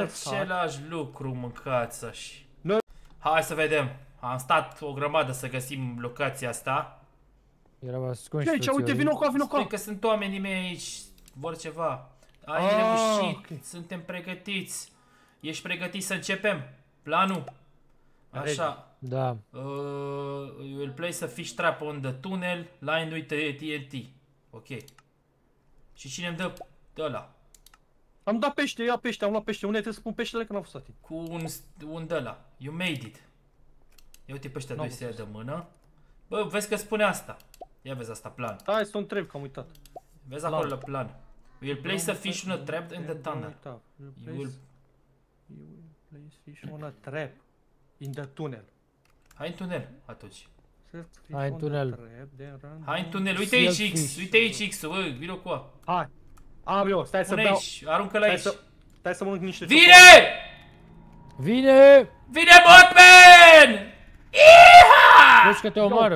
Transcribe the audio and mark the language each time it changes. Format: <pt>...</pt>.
<ro>același lucru, mâncați așa. Noi... Hai să vedem. Am stat o grămadă să găsim locația asta. Era ascuns. Aici, uite, vino cu a, vino cu a. Spune că sunt oamenii mei aici, vor ceva. Ai reușit, okay. Suntem pregătiți. Ești pregătit să începem? Planul? Așa. Da.</ro> <en>You will place a fish trap on the tunnel, line with TNT.</en> <ro>Ok. Și cine îmi dă ăla? Am dat pește, ia pește, am luat pește. Unde trebuie să pun peștele că n-am fost atent? Cu un ăla.</ro> <en>You made it.</en> <ro>Ia uite pe ăștia doi să ia de mână. Bă, vezi că spune asta. Ia vezi asta, plan. Da, este un trap, că am uitat. Vezi plan. Acolo, plan.</ro> <en>You will place a fish on a trap in the tunnel. You will place fish on a trap in the tunnel.</en> <ro>Hai în tunel, atunci. Hai în tunel. Hai în tunel, uite aici X, uite aici X, bă, vino cu a. Hai. Am eu, stai să beau. Aruncă-l aici. Stai să mănânc niște ciocolată. Vine! Vine! Vine Mothman! Iha! Vezi că te omoară.</ro>